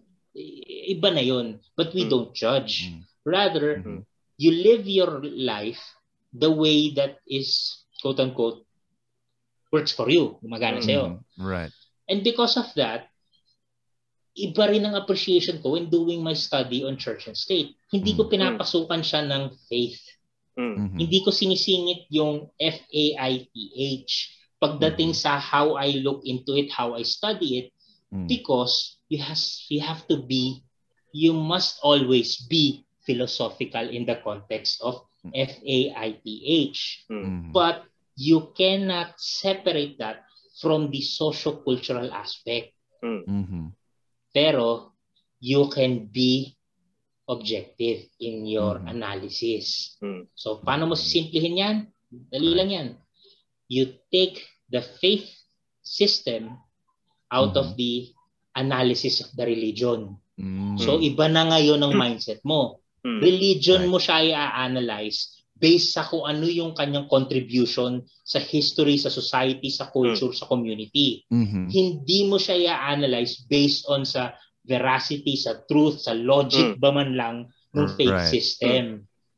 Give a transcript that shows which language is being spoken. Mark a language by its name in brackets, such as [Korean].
[Filipino] Iba na yun. [English] But we don't judge. Rather, you live your life the way that is, quote-unquote, works for you, [Filipino] gumagana sa'yo. [English] Right. And because of that, [Filipino] iba rin ang [English] appreciation ko when doing my study on church and state. [Filipino] Hindi ko pinapasukan siya ng faith. Hindi ko sinisingit yung [English] F-A-I-T-H [Filipino] pagdating sa [English] how I look into it, how I study it, because you have to be, you must always be philosophical in the context of F-A-I-T-H. But you cannot separate that from the socio-cultural aspect. [Filipino] Pero [English] you can be objective in your analysis. So, [Filipino] paano mo simplihin yan? Dali lang yan. [English] You take the faith system out of the analysis of the religion. [Filipino] So, iba na ngayon ang mindset mo. Religion mo siya i-analyze based sa kung ano yung kanyang contribution sa history, sa society, sa culture, sa community. Hindi mo siya i-analyze based on sa veracity, sa truth, sa logic ba man lang ng faith system.